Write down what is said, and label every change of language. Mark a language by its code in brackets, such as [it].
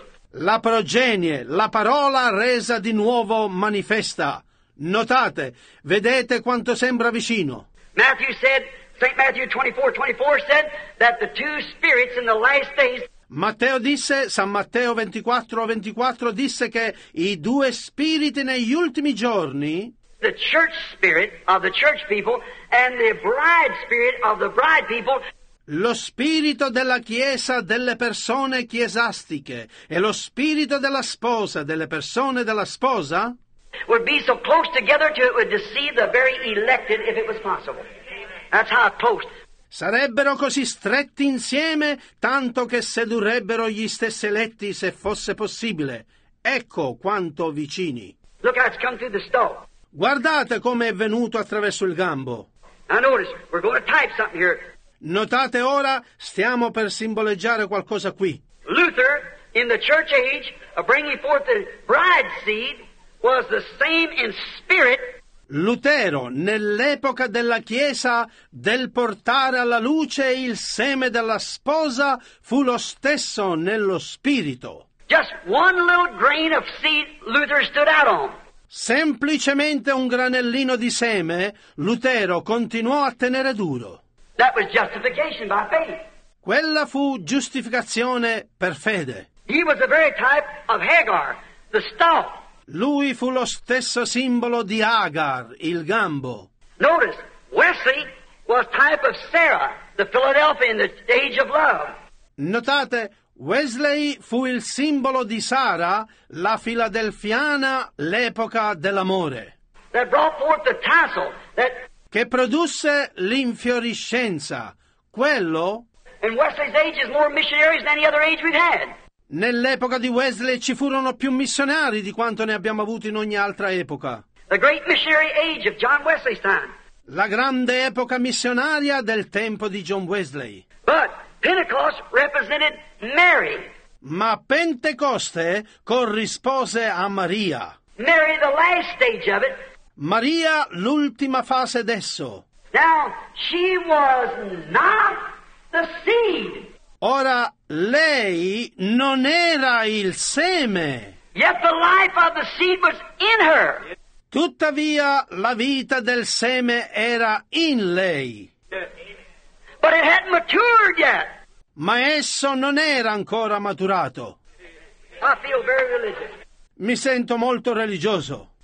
[it] La progenie, la parola resa di nuovo manifesta. Notate, vedete quanto sembra vicino. [en] Matthew said, St. Matthew 24:24 said that the two spirits in the last days. [it] Matteo disse, San Matteo 24:24 disse che i due spiriti negli ultimi giorni. [en] The church spirit of the church people and the bride spirit of the bride people. [it] Lo spirito della chiesa delle persone chiesastiche e lo spirito della sposa delle persone della sposa [en] would be so close together to it would deceive the very elected if it was possible. That's how close. [it] Sarebbero così stretti insieme tanto che sedurrebbero gli stessi eletti se fosse possibile. Ecco quanto vicini. [en] Look how it's come through the stalk. [it] Guardate come è venuto attraverso il gambo. [en] Now notice, we're going to type something here. [it] Notate ora, stiamo per simboleggiare qualcosa qui. [en] Luther, in the church age, bringing forth the bride seed, was the same in spirit. [it] Lutero, nell'epoca della Chiesa, del portare alla luce il seme della sposa, fu lo stesso nello spirito. [en] Just one little grain of seed Luther stood out on. [it] Semplicemente un granellino di seme, Lutero continuò a tenere duro. [en] That was justification by faith. [it] Quella fu giustificazione per fede. [en] He was the very type of Hagar, the stalk. [it] Lui fu lo stesso simbolo di Hagar, il gambo. [en] Notice, Wesley was type of Sarah, the Philadelphia in the age of love. [it] Notate, Wesley fu il simbolo di Sara, la filadelfiana, l'epoca dell'amore. [en] That brought forth the tassel that. [it] Che produsse l'infioriscenza, quello. [en] And Wesley's age is more missionaries than any other age we've had. [it] Nell'epoca di Wesley ci furono più missionari di quanto ne abbiamo avuto in ogni altra epoca. [en] The great missionary age of John Wesley's time. [it] La grande epoca missionaria del tempo di John Wesley. [en] But Pentecost represented Mary. [it] Ma Pentecoste corrispose a Maria. [en] Mary, the last stage of it. [it] Maria, l'ultima fase d'esso. [en] Now, she was not the seed. [it] Ora, lei non era il seme. [en] Yet the life of the seed was in her. [it] Tuttavia, la vita del seme era in lei. [en] But it hadn't matured yet. [it] Ma esso non era ancora maturato. [en] I feel very religious. [it] Mi sento molto religioso.